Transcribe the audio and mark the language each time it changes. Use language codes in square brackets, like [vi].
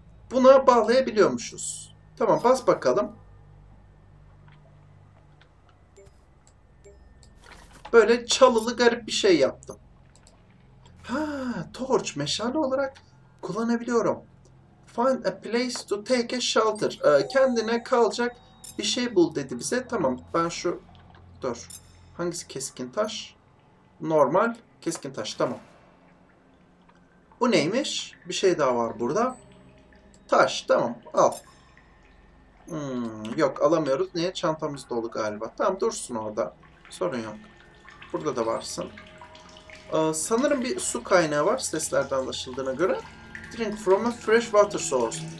[tr] Buna bağlayabiliyormuşuz. Tamam, bas bakalım. Böyle çalılı garip bir şey yaptım. Ha, torch, meşale olarak kullanabiliyorum. [en] Find a place to take a shelter. [tr] Kendine kalacak bir şey bul dedi bize. Tamam, ben şu... Dur. Hangisi keskin taş? Normal keskin taş. Tamam. Bu neymiş? Bir şey daha var burada. Taş. Tamam, al. Yok, alamıyoruz. Niye? Çantamız dolu galiba. Tamam, dursun orada. Sorun yok. Burada da varsın. Sanırım bir su kaynağı var, seslerden anlaşıldığına göre. [en] Drink from a fresh water source.